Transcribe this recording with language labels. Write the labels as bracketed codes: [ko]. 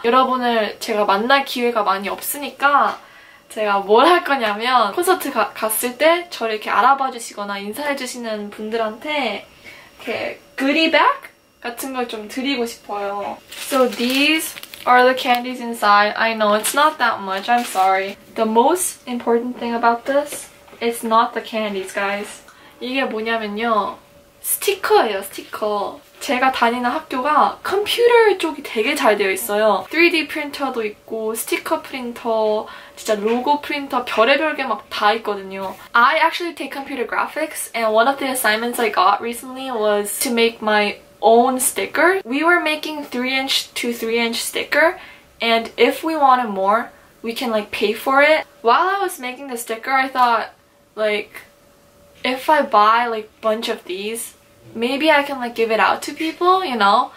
[ko] 여러분을 제가 만날 기회가 많이 없으니까 제가 뭘 할 거냐면 콘서트 갔을 때 저를 이렇게 알아봐 주시거나 인사해 주시는 분들한테 이렇게 그리백 같은 걸 좀 드리고 싶어요. [en] So these are the candies inside. I know it's not that much. I'm sorry. The most important thing about this is not the candies, guys. [ko] 이게 뭐냐면요. 스티커예요, 스티커. 제가 다니는 학교가 컴퓨터 쪽이 되게 잘 되어 있어요. 3D 프린터도 있고 스티커 프린터, 진짜 로고 프린터 별의별 게 막 다 있거든요. [en] I actually take computer graphics and one of the assignments I got recently was to make my own sticker. We were making 3-inch to 3-inch sticker and if we wanted more, we can like pay for it. While I was making the sticker, I thought like if I buy like a bunch of these, maybe I can like give it out to people, you know?